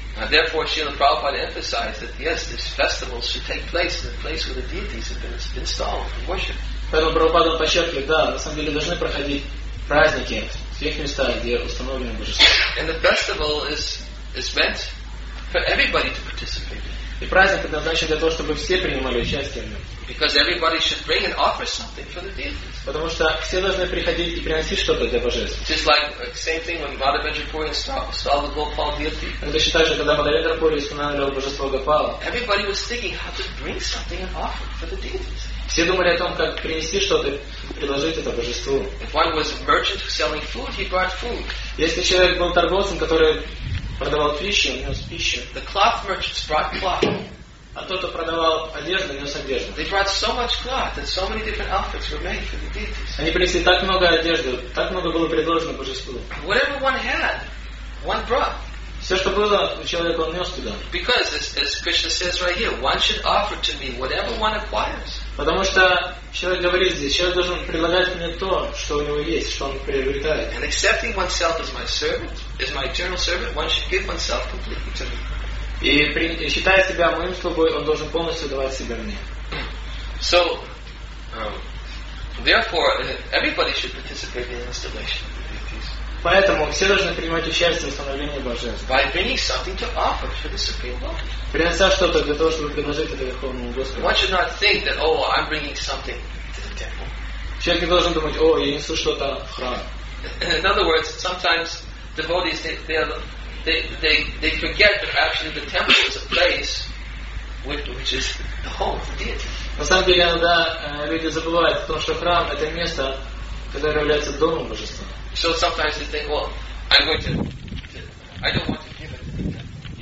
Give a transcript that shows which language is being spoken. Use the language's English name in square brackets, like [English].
[English] Therefore, Srila Prabhupada emphasized that yes, these festivals should take place in the place where the deities have been installed for worship. [Russian] Поэтому Прабхупада подчеркивает, да, на самом деле должны проходить праздники в тех местах, где установлены божества. [English] And the festival is meant for everybody to participate in. [Russian] И праздник предназначен для того, чтобы все принимали участие в нем. [English] Because everybody should bring and offer something for the deities. [Russian] Потому что все должны приходить и приносить что-то для божеств. [English] Just like same thing when Madhavendra Puri installed the Gopal deity. [Russian] Это считается, когда Мадхавендра Пури установил божество Гопала. [English] Everybody was thinking how to bring something and offer for the deities. [Russian] Все думали о том, как принести что-то, предложить это божеству. [English] If one was a merchant selling food, he brought food. [Russian] Если человек был торговцем, который продавал пищу, у него с пищей. [English] The cloth merchants brought cloth. [Russian] А тот, кто продавал одежду, нес одежду. [English] They brought so much cloth that so many different outfits were made for the deities. [Russian] Они принесли так много одежды, так много было предложено божеству. [English] Whatever one had, one brought. [Russian] Все, что было, человек он нес туда. [English] Because as Krishna says right here, one should offer to me whatever one acquires. [Russian] Потому что человек говорит здесь, человек должен предлагать мне то, что у него есть, что он приобретает. [English] And accepting oneself as my servant, as my eternal servant, one should give oneself completely to me. [Russian] И считая себя моим слугой, он должен полностью давать себя мне. [English] So, therefore, everybody should participate in installation. [Russian] Поэтому все должны принимать участие в установлении Божества. [English] By bringing something to offer for the Supreme Lord. [Russian] Принося что-то для того, чтобы предложить это Верховному Господу. [English] One should not think that, oh, I'm bringing something to the temple. [Russian] Человек не должен думать, о, я несу что-то в храм. [English] In other words, sometimes devotees they forget that actually the temple is a place which is the home of the deity. [Russian] На самом деле, иногда люди забывают о том, что храм это место, которое является домом Божества. [English] So sometimes they think, well, I don't want to give it to the temple.